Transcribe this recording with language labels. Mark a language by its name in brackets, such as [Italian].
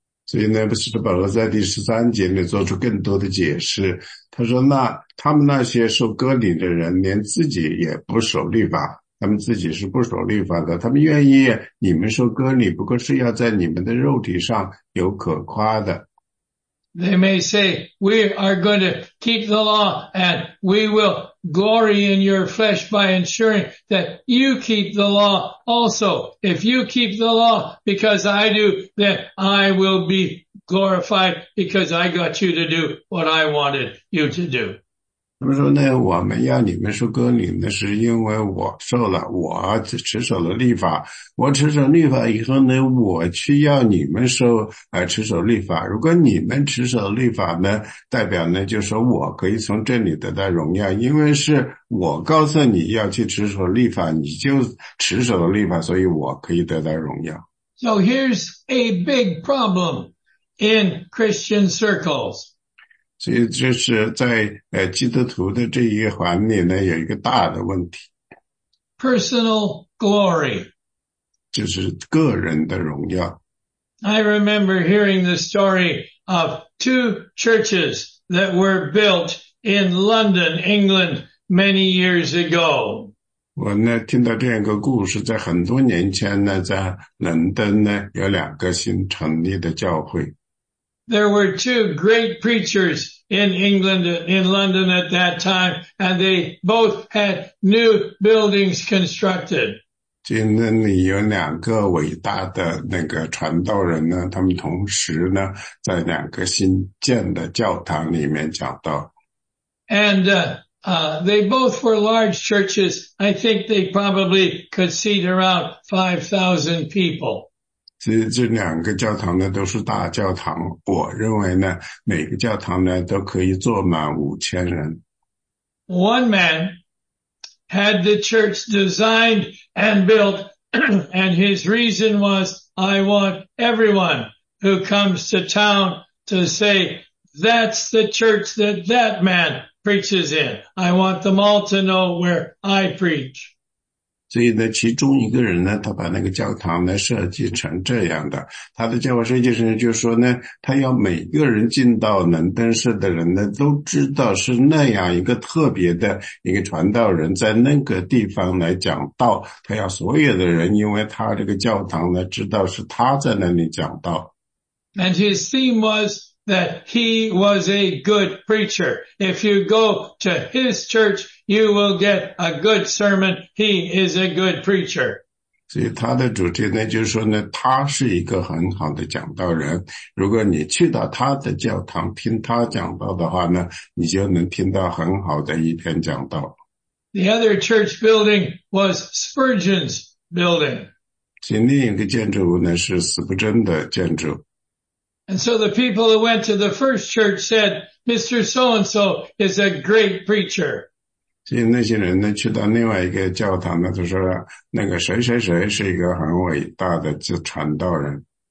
[Chinese] 所以呢，不是保罗在第十三节里做出更多的解释。他说那他们那些受割礼的人连自己也不守律法。他们自己是不守律法的他们愿意你们受割礼不过是要在你们的肉体上有可夸的。 [English] They may say, we are going to keep the law and we will glory in your flesh by ensuring that you keep the law also. If you keep the law because I do, then I will be glorified because I got you to do what I wanted you to do. [Chinese] 他们说呢我们要你们受割礼呢是因为我受了我持守了律法。我持守律法以后呢我去要你们受持守律法。如果你们持守律法呢代表呢就是我可以从这里得到荣耀。因为是我告诉你要去持守律法你就持守了律法所以我可以得到荣耀。 [English] So here's a big problem in Christian circles. [Chinese] 所以这是在基督徒的这一环里呢有一个大的问题。 [English] Personal glory. [Chinese] 就是个人的荣耀。 [English] I remember hearing the story of two churches that were built in London, England, many years ago. [Chinese] 我呢听到这样一个故事，在很多年前呢，在伦敦呢有两个新成立的教会。 [English] There were two great preachers in England, in London at that time, and they both had new buildings constructed. [Chinese] 今天呢有两个伟大的那个传道人呢，他们同时呢在两个新建的教堂里面讲道。 [English] And, they both were large churches. I think they probably could seat around 5,000 people. [Chinese] 这两个教堂呢都是大教堂，我认为呢每个教堂呢都可以坐满5000人。 [English] One man had the church designed and built, and his reason was, I want everyone who comes to town to say, that's the church that that man preaches in. I want them all to know where I preach. [Chinese] 所以呢，其中一个人呢，他把那个教堂呢设计成这样的。他的教会设计师就说呢，他要每个人进到伦敦市的人呢，都知道是那样一个特别的一个传道人在那个地方来讲道。他要所有的人，因为他这个教堂呢，知道是他在那里讲道。 [English] And his theme was that he was a good preacher. If you go to his church, you will get a good sermon. He is a good preacher. [Chinese] 所以他的主题呢，就是说呢，他是一个很好的讲道人。如果你去到他的教堂听他讲道的话呢，你就能听到很好的一篇讲道。 [English] The other church building was Spurgeon's building. [Chinese] 其另一个建筑物呢，是斯布珍的建筑。 [English] And so the people who went to the first church said, Mr. So-and-so is a great preacher. [Chinese] 所以那些人呢去到另外一个教堂呢，他说那个谁谁谁是一个很伟大的传道人。